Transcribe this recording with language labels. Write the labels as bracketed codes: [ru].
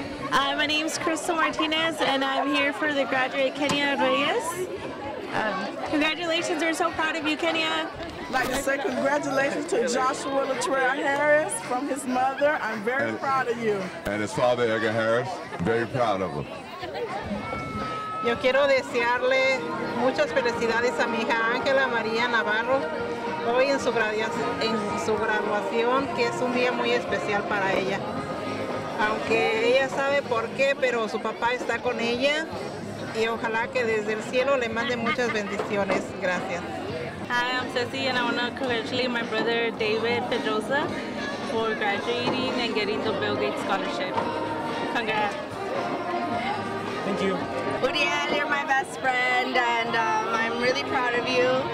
[en] Hi, my name is Crystal Martinez and I'm here for the graduate Kenya Reyes. Congratulations, we're so proud of you, Kenya. Like to say congratulations to Joshua Latrell Harris from his mother. I'm very proud of you. And his father, Edgar Harris, very proud of him. [es] Yo quiero desearle muchas felicidades a mi hija Ángela María Navarro hoy en su graduación, que es un día muy especial para ella. Aunque ella sabe por qué, pero su papá está con ella. Y ojalá que desde el cielo le mande muchas bendiciones. Gracias. [en] Hi, I'm Ceci and I want to congratulate my brother David Pedroza for graduating and getting the Bill Gates Scholarship. Congrats. Thank you. Uriel, you're my best friend and I'm really proud of you.